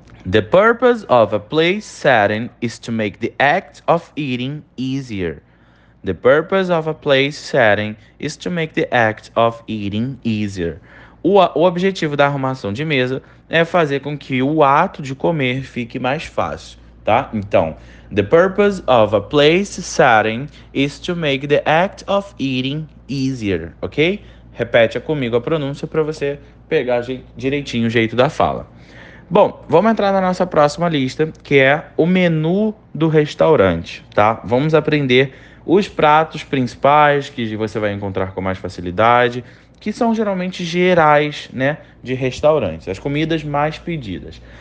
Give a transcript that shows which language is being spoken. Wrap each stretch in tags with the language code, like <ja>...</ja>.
<en>The purpose of a place setting is to make the act of eating easier. The purpose of a place setting is to make the act of eating easier.</en> <pt>O objetivo da arrumação de mesa é fazer com que o ato de comer fique mais fácil, tá?</pt> <en>Então, the purpose of a place setting is to make the act of eating easier, ok?</en> <pt>Repete comigo a pronúncia para você pegar direitinho o jeito da fala. Bom, vamos entrar na nossa próxima lista, que é o menu do restaurante, tá? Vamos aprender os pratos principais que você vai encontrar com mais facilidade, que são geralmente gerais, né, de restaurantes, as comidas mais pedidas.</pt>